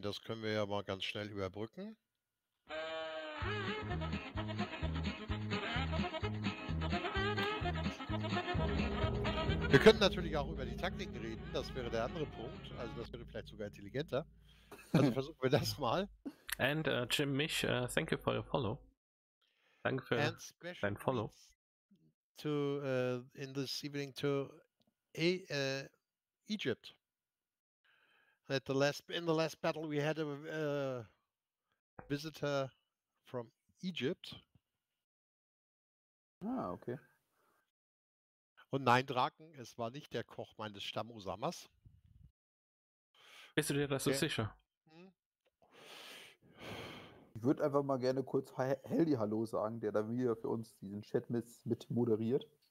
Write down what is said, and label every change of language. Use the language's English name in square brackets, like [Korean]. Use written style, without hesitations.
[German] Das können wir ja mal ganz schnell überbrücken. Wir könnten natürlich auch über die Taktiken reden, das wäre der andere Punkt, also das wäre vielleicht sogar intelligenter. Also versuchen wir das mal. [English] And Jim Mich, thank you for your follow. [German] Danke für dein Follow. [English] To in this evening to a Egypt. At the last in the last battle we had a visitor from Egypt. Ah, okay. [German] Und nein, Draken, es war nicht der Koch meines Stamm-Usamas. Bist du dir das so sicher? Hm? Ich würde einfach mal gerne kurz Heldi Hallo sagen, der da wieder für uns diesen Chat mit moderiert.